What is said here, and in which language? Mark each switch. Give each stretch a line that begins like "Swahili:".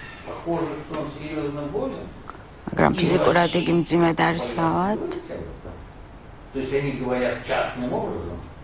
Russian: Похоже, что он серьезно болен.
Georgian: მაგრამ ფიზიკურად იგი მძიმედ არის ავად.
Russian: То есть они говорят частным образом?